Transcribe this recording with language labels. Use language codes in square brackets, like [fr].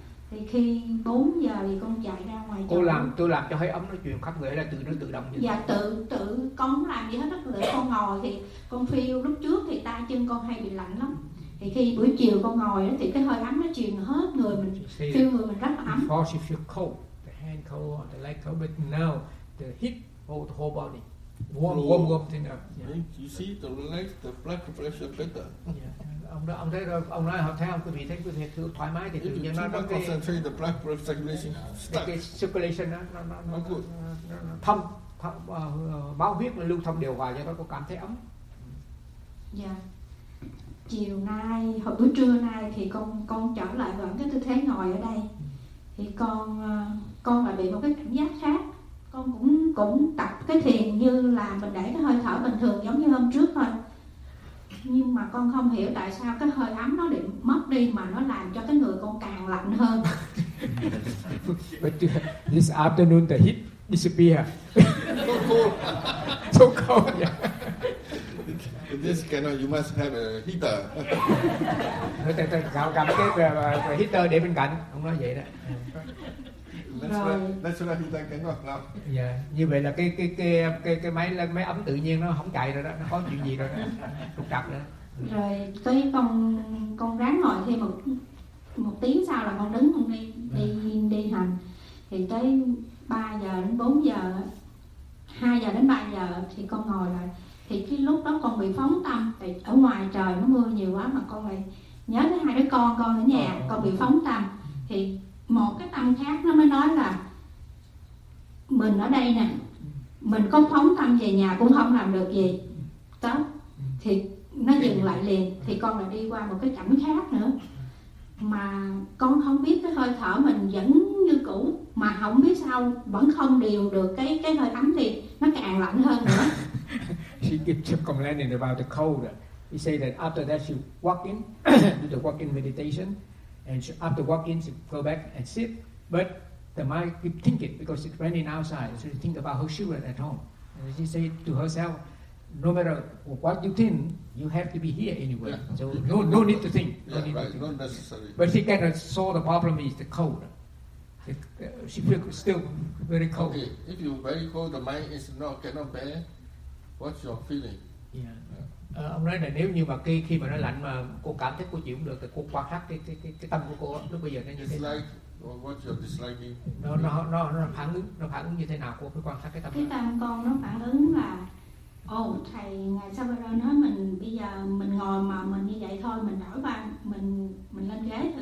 [vi] Thì khi 4 giờ thì con chạy ra ngoài. Cô làm tôi làm cho hơi ấm nó truyền khắp người là từ nó tự động vậy. Dạ, tự con làm gì hết đó. Lỡ con ngồi thì con feel lúc trước thì tay chân con hay bị lạnh lắm. Thì khi buổi chiều con ngồi thì cái hơi ấm nó truyền hết người mình, feel người mình rất ấm. [en] Before she feel cold, the hand cold or the leg cold, but now the heat of the whole body. Warm thing up. Yeah. You see the relax, the blood pressure better. Yeah. [vi] Ông thấy rồi, ông nói học theo quý vị thấy quý vị thử thoải mái thì tự nhiên nó [en] cái concentrate the blood pressure circulation. [vi] Cái circulation nó thông báo huyết nó lưu thông điều hòa cho nó có cảm thấy ấm. Chiều nay hồi bữa trưa nay thì con trở lại vẫn cái tư thế ngồi ở đây, thì con lại bị một cái cảm giác khác. Con cũng tập cái thiền như là mình để cái hơi thở bình thường giống như hôm trước thôi, nhưng mà con không hiểu tại sao cái hơi ấm nó định mất đi mà nó làm cho cái người con càng lạnh hơn. [en] But this afternoon the heat disappear. So cold. So cold. Yeah. This cannot. You must have a heater. [vi] Rồi tại tại sao cầm cái heater để bên cạnh, ông nói vậy đó. [en] That's why heater cannot now. [vi] Yeah, như vậy là cái máy ấm tự nhiên nó không chạy rồi đó, nó có chuyện gì rồi đó, trục trặc nữa. Rồi tới con ráng ngồi thêm một tiếng sau là con đứng con đi hành. Thì tới 3 giờ đến 4 giờ, 2 giờ đến 3 giờ thì con ngồi lại. Thì cái lúc đó con bị phóng tâm, ở ngoài trời nó mưa nhiều quá mà con lại nhớ tới hai đứa con ở nhà, con bị phóng tâm. Thì một cái tâm khác nó mới nói là mình ở đây nè, mình có phóng tâm về nhà cũng không làm được gì đó. Thì nó dừng lại liền, thì con lại đi qua một cái cảnh khác nữa mà con không biết, cái hơi thở mình vẫn như cũ mà không biết sao vẫn không điều được cái hơi ấm thì nó càng lạnh hơn nữa. [en] She keeps complaining about the cold. He said that after that she walk in, do the walk in meditation, and she, after walk in she go back and sit. But the mind keep thinking because it's raining outside, so she think about her children at home. And she said to herself, no matter what you think, you have to be here anyway. Yeah. So no need to think. Not necessary. But she can solve the problem is the cold. She feels still very cold. Okay. If you very cold, the mind is not cannot bear. What's your feeling? Yeah. Yeah. [vi] Ông nói là nếu như mà khi mà nó lạnh mà cô cảm thấy cô chịu không được thì cô quan sát cái tâm của cô lúc bây giờ nó như [en] dislike, [vi] thế nào? [en] What's your disliking? [vi] Nó phản ứng như thế nào? Cô cứ quan sát cái tâm. Cái tâm con nó phản ứng là, thầy ngài Savara nói mình bây giờ mình ngồi mà mình như vậy thôi, mình đổi qua mình lên ghế thử.